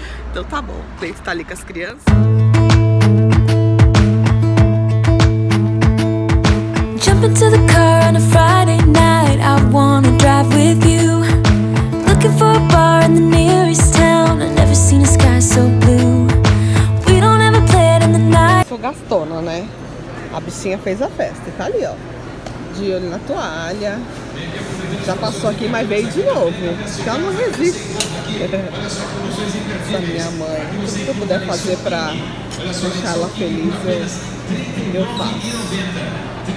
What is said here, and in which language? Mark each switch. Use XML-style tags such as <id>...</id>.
<pt>Então tá bom, o Bento tá ali com as crianças.</pt> <en>Into the car on a Friday night, I wanna drive with you. Looking for a bar in the nearest town. I've never seen a sky so blue. We don't ever play it in the night.</en> <pt>Sou gastona, né? A bichinha fez a festa, tá ali, ó. De olho na toalha. Já passou aqui, mas veio de novo. Já não resiste. Essa minha mãe. O que eu puder fazer pra deixar ela feliz, eu faço.</pt>